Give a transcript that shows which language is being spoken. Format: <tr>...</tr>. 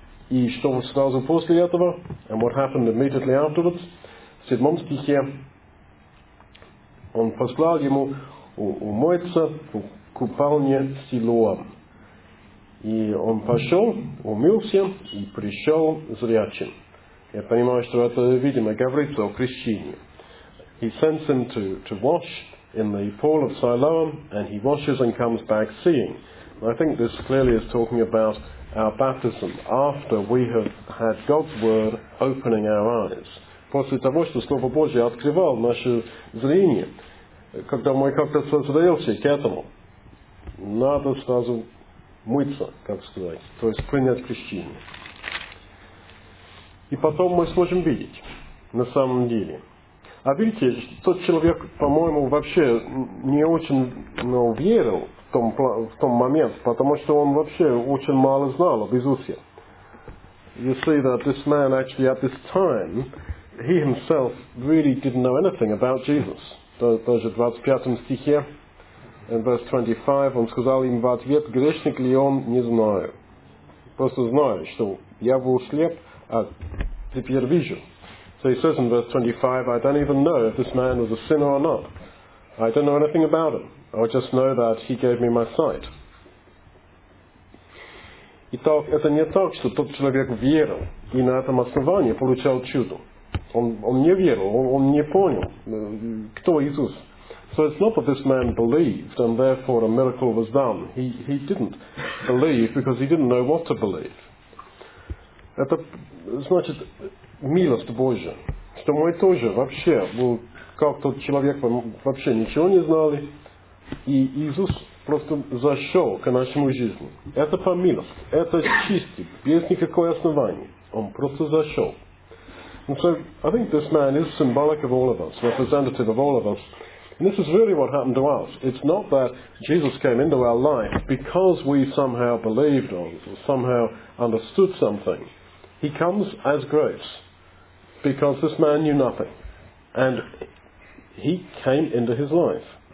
<ru>И что сразу после этого?</ru> <en>And what happened immediately afterwards?</en> <ru>В седьмом стихе он послал ему умыться в купальне Силоам. И он пошел, умылся и пришел зрячим. Я понимаю, что это, видимо, говорится о крещении.</ru> <en>He sends him to wash in the pool of Siloam, and he washes and comes back seeing. And I think this clearly is talking about our baptism, after we have had God's word opening our eyes.</en> <ru>После того, что Слово Божие открывало наше зрение, когда мы как-то созрелся к этому, надо сразу мыться, как сказать, то есть принять крещение. И потом мы сможем видеть на самом деле. А видите, тот человек, по-моему, вообще не очень, ну, верил в том момент, потому что он вообще очень мало знал об Иисусе.</ru> <en>You see that this man actually at this time, he himself really didn't know anything about Jesus.</en> <ru>Даже в 25 стихе,</ru> <en>in verse 25,</en> <ru>он сказал им в ответ, грешник ли он, не знаю. Просто знаю, что я был слеп, а теперь вижу.</ru> <en>So he says in verse 25, I don't even know if this man was a sinner or not. I don't know anything about him. I just know that he gave me my sight.</en> <ru>Итак, это не так, что тот человек верил и на этом основании получал чудо. Он не верил, он не понял, кто Иисус.</ru> <en>So it's not that this man believed and therefore a miracle was done. He didn't believe because he didn't know what to believe.</en> <ru>Это значит милость Божья, что мы тоже вообще был, как тот человек, вообще ничего не знали, и Иисус просто зашел к нашему жизни. Это по милости, это чистый, без никакого основания. Он просто зашел.</ru> <en>And so I think this man is symbolic of all of us, representative of all of us. And this is really what happened to us. It's not that Jesus came into our life because we somehow believed or somehow understood something. He comes as grace, because this man knew nothing, and he came into his life.</en>